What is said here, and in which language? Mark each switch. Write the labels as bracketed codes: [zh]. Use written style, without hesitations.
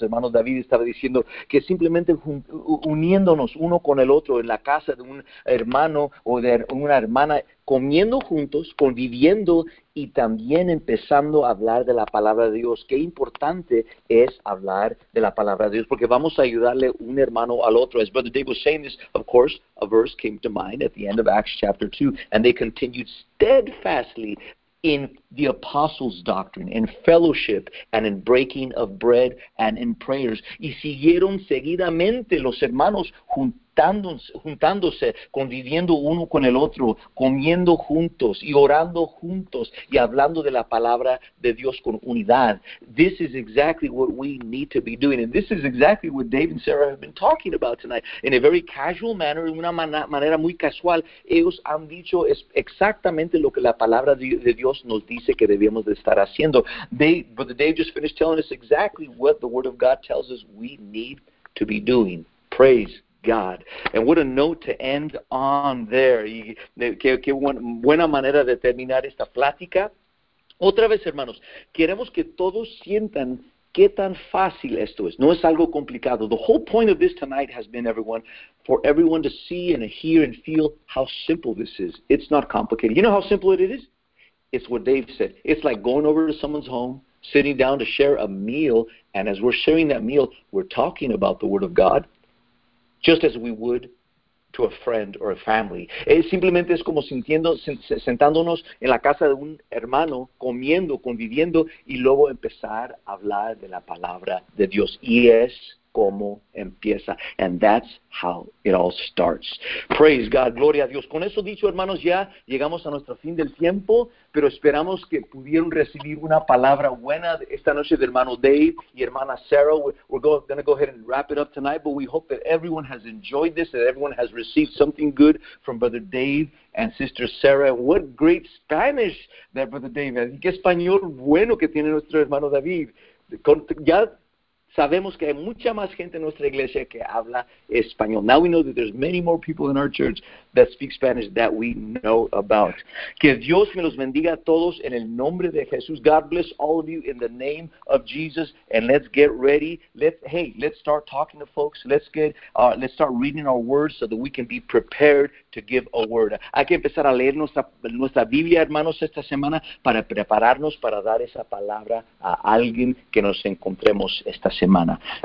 [es] Hermano David estaba diciendo que simplemente uniéndonos uno con el otro en la casa de un hermano o de una hermana, comiendo juntos, conviviendo y también empezando a hablar de la palabra de Dios. Qué importante es hablar de la palabra de Dios, porque vamos a ayudarle un hermano al otro. [en] As Brother Dave was saying this, of course, a verse came to mind at the end of Acts chapter 2, and they continued steadfastly in the apostles' doctrine, in fellowship, and in breaking of bread, and in prayers. [es] Y siguieron seguidamente los hermanos juntándose, conviviendo uno con el otro, comiendo juntos y orando juntos y hablando de la palabra de Dios con unidad. [en] This is exactly what we need to be doing, and this is exactly what Dave and Sarah have been talking about tonight. In a very casual manner, [es] en una manera muy casual, ellos han dicho es exactamente lo que la palabra de Dios nos dice que debemos de estar haciendo. [en] Dave just finished telling us exactly what the Word of God tells us we need to be doing. Praise God. And what a note to end on there. [es] Qué buena manera de terminar esta plática. Otra vez, hermanos, queremos que todos sientan qué tan fácil esto es. No es algo complicado. [en] The whole point of this tonight has been for everyone to see and hear and feel how simple this is. It's not complicated. You know how simple it is? It's what Dave said. It's like going over to someone's home, sitting down to share a meal, and as we're sharing that meal, we're talking about the Word of God. just as we would to a friend or a family. [es] Simplemente es como sentándonos en la casa de un hermano, comiendo, conviviendo, y luego empezar a hablar de la palabra de Dios. Y es como empieza. [en] And that's how it all starts. Praise God, [es] gloria a Dios. Con eso dicho, hermanos, ya llegamos a nuestro fin del tiempo, pero esperamos que pudieron recibir una palabra buena esta noche de hermano Dave y hermana Sarah. [en] We're going to go ahead and wrap it up tonight, but we hope that everyone has enjoyed this, that everyone has received something good from Brother Dave and Sister Sarah. What great Spanish that Brother Dave has. [es] Qué español bueno que tiene nuestro hermano David. Ya sabemos que hay mucha más gente en nuestra iglesia que habla español. [en] Now we know that there's many more people in our church that speak Spanish that we know about. [es] Que Dios me los bendiga a todos en el nombre de Jesús. [en] God bless all of you in the name of Jesus. And let's get ready. Let's start talking to folks. Let's start reading our words so that we can be prepared to give a word. [es] Hay que empezar a leer nuestra Biblia, hermanos, esta semana para prepararnos para dar esa palabra a alguien que nos encontremos esta semana.